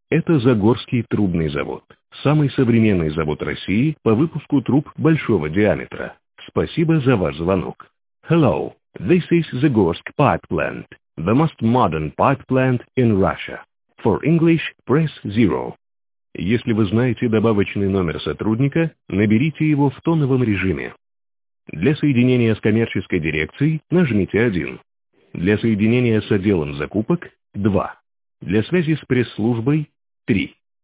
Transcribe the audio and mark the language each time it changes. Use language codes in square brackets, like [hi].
[ru] Это Загорский трубный завод. Самый современный завод России по выпуску труб большого диаметра. Спасибо за ваш звонок. [en] Hello, this is Zagorsk Pipe Plant, the most modern pipe plant in Russia. For English, press 0. [ru] Если вы знаете добавочный номер сотрудника, наберите его в тоновом режиме. Для соединения с коммерческой дирекцией нажмите 1. Для соединения с отделом закупок – 2. Для связи с пресс-службой – 3.